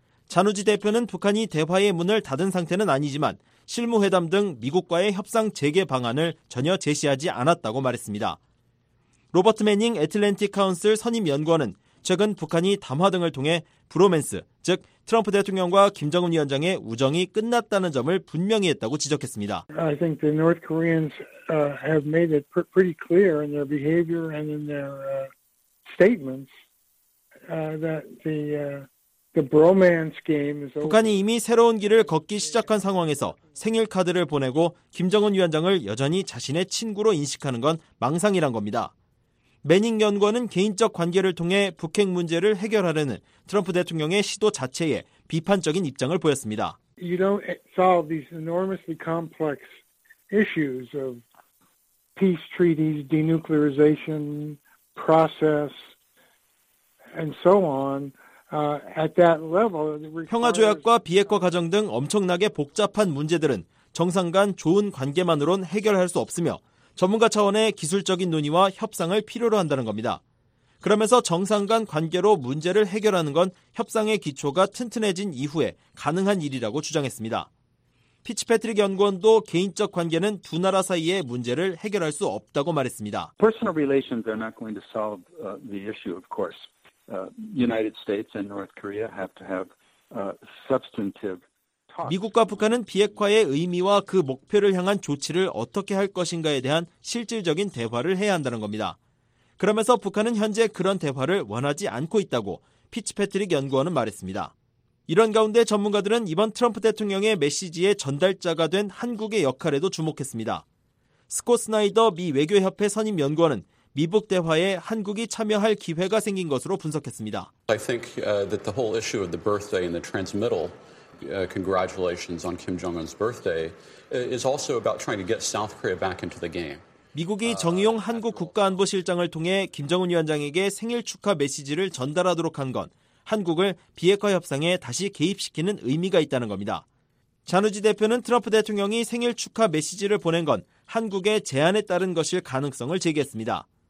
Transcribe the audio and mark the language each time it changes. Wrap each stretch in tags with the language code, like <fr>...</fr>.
<ko>자누지 대표는 북한이 대화의 문을 닫은 상태는 아니지만 실무회담 등 미국과의 협상 재개 방안을 전혀 제시하지 않았다고 말했습니다. 로버트 매닝 애틀랜틱 카운슬 선임 연구원은 최근 북한이 담화 등을 통해 브로맨스, 즉 트럼프 대통령과 김정은 위원장의 우정이 끝났다는 점을 분명히 했다고 지적했습니다.</ko> <en>I think the North Koreans have made it pretty clear in their behavior and in their statements that the bromance game is over.</en> <ko>북한이 이미 새로운 길을 걷기 시작한 상황에서 생일 카드를 보내고 김정은 위원장을 여전히 자신의 친구로 인식하는 건 망상이란 겁니다. 매닝 연구원은 개인적 관계를 통해 북핵 문제를 해결하려는 트럼프 대통령의 시도 자체에 비판적인 입장을 보였습니다.</ko> <en>You don't solve these enormously complex issues of peace treaties, denuclearization process and so on. At that level,</en> <ko>평화 조약과 비핵화 과정 등 엄청나게 복잡한 문제들은 정상 간 좋은 관계만으론 해결할 수 없으며 전문가 차원의 기술적인 논의와 협상을 필요로 한다는 겁니다. 그러면서 정상 간 관계로 문제를 해결하는 건 협상의 기초가 튼튼해진 이후에 가능한 일이라고 주장했습니다. 피츠패트릭 연구원도 개인적 관계는 두 나라 사이의 문제를 해결할 수 없다고 말했습니다.</ko> <en>Personal relations are not going to solve the issue, of course. United States and North Korea have to have substantive</en> <ko>미국과 북한은 비핵화의 의미와 그 목표를 향한 조치를 어떻게 할 것인가에 대한 실질적인 대화를 해야 한다는 겁니다. 그러면서 북한은 현재 그런 대화를 원하지 않고 있다고 피츠패트릭 연구원은 말했습니다. 이런 가운데 전문가들은 이번 트럼프 대통령의 메시지의 전달자가 된 한국의 역할에도 주목했습니다. 스콧 스나이더 미 외교협회 선임 연구원은 미북 대화에 한국이 참여할 기회가 생긴 것으로 분석했습니다.</ko> <en>I think that the whole issue of the birthday and the transmittal congratulations on Kim Jong-un's birthday is also about trying to get South Korea back into the game.</en> <ko>미국이 정의용 한국 국가안보실장을 통해 김정은 위원장에게 생일 축하 메시지를 전달하도록 한 건 한국을 비핵화 협상에 다시 개입시키는 의미가 있다는 겁니다. 자누지 대표는 트럼프 대통령이 생일 축하 메시지를 보낸 건 한국의 제안에 따른 것일 가능성을 제기했습니다.</ko>